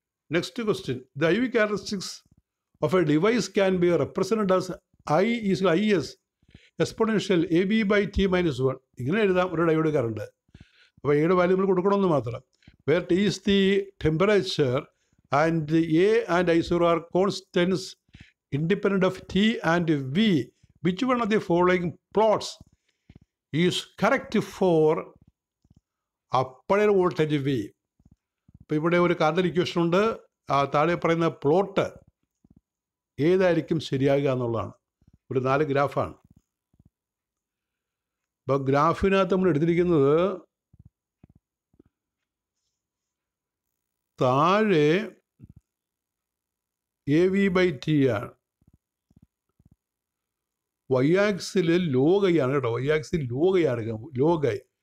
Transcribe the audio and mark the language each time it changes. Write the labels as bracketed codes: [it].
[en] Next question, the I V characteristics of a device can be represented as I is I S exponential A B by T minus one. [ml] ഇങ്ങനെ എഴുതാം ഒരു diode current, അപ്പോൾ എയുടെ value നമ്മൾ കൊടുക്കണമെന്ന് മാത്രം. [en] Where T is the temperature and A and I zero are constants independent of T and V. Which one of the following plots is correct for applied voltage V. [ml] ഇപ്പോൾ ഇവിടെ ഒരു current equation ഉണ്ട്, ആ താഴെ പറയുന്ന plot ഏതായിരിക്കും ശരിയാകുക എന്നുള്ളതാണ്. ഒരു നാല് ഗ്രാഫാണ്. അപ്പോൾ ഗ്രാഫിനകത്ത് നമ്മൾ എടുത്തിരിക്കുന്നത് താഴെ എ വി ബൈ ടി ആണ്, വൈയാക്സിൽ ലോഗൈ ആണ് കേട്ടോ, വൈയാക്സിൽ ലോഗൈ ആണ് ലോഗൈ.